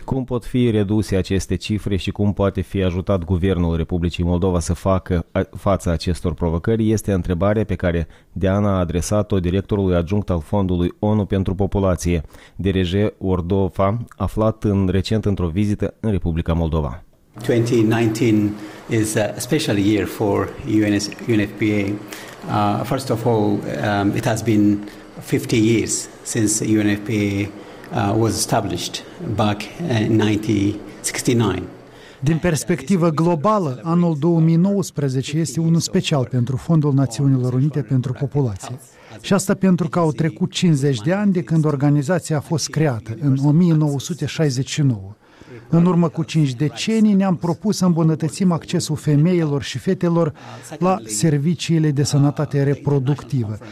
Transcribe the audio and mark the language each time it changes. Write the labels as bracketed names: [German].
[Romanian] Cum pot fi reduse aceste cifre și cum poate fi ajutat Guvernul Republicii Moldova să facă fața acestor provocări este întrebarea pe care Diana a adresat-o directorului adjunct al Fondului ONU pentru Populație, Dereje Ordov, aflat în recent într-o vizită în Republica Moldova. [English] 2019 is a special year for UNFPA. First of all, it has been 50 years since UNFPA was established back in 1969. [Romanian] Din perspectivă globală, anul 2019 este unul special pentru Fondul Națiunilor Unite pentru Populație. Și asta pentru că au trecut 50 de ani de când organizația a fost creată, în 1969. În urmă cu 5 decenii ne-am propus să îmbunătățim accesul femeilor și fetelor la serviciile de sănătate reproductivă.